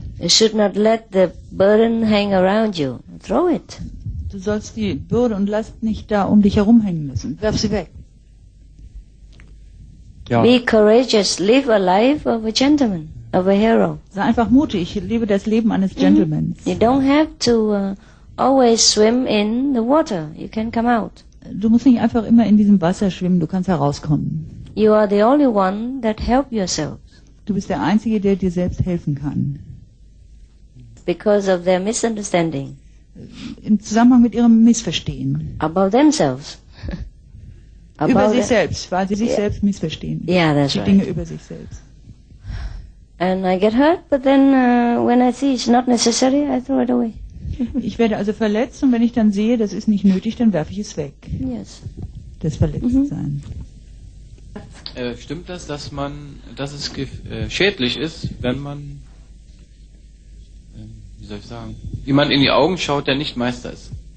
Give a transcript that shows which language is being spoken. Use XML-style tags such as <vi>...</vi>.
<en>You should not let the burden hang around you. Throw it.</en> <de>Du sollst die Bürde und Last nicht da um dich herumhängen lassen. Werf sie weg.</de> <en>Ja. Be courageous, live a life of a gentleman, of a hero.</en> <de>Sei einfach mutig, lebe das Leben eines Gentlemans. Mm-hmm.</de> <en>You don't have to always swim in the water. You can come out.</en> <de>Du musst nicht einfach immer in diesem Wasser schwimmen, du kannst herauskommen.</de> <en>You are the only one that help yourself.</en> <de>Du bist der Einzige, der dir selbst helfen kann.</de> <en>Because of their misunderstanding.</en> <de>Im Zusammenhang mit ihrem Missverstehen.</de> <en>About themselves.</en> <de>Über sich selbst, weil sie sich selbst missverstehen.</de> <en>Yeah, that's right.</en> <de>Die Dinge über sich selbst.</de> <en>And I get hurt, but then when I see it's not necessary, I throw it away.</en> <de>Ich werde also verletzt und wenn ich dann sehe, das ist nicht nötig, dann werfe ich es weg.</de> <en>Yes.</en> <de>Das Verletztsein. Mm-hmm. Stimmt das, dass man, dass es schädlich ist, wenn man, wie soll ich sagen, jemand in die Augen schaut, der nicht Meister ist?</de>